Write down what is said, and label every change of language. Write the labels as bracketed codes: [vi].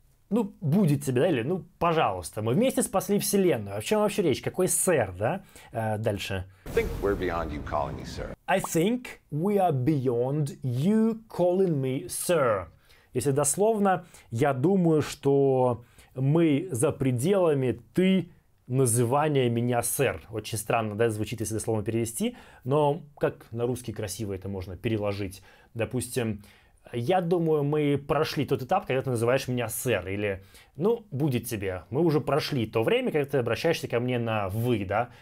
[ru] Ну, будет тебе, да, или, ну, пожалуйста, мы вместе спасли вселенную. О чем вообще речь? Какой сэр, да? Дальше. [en] I think we're beyond you calling me sir. I think we are beyond you calling me sir. [ru] Если дословно, я думаю, что мы за пределами ты... Называние меня сэр. Очень странно, да, звучит, если это слово перевести, но как на русский красиво это можно переложить. Допустим, я думаю, мы прошли тот этап, когда ты называешь меня сэр, или, ну, будет тебе, мы уже прошли то время, когда ты обращаешься ко мне на вы, да.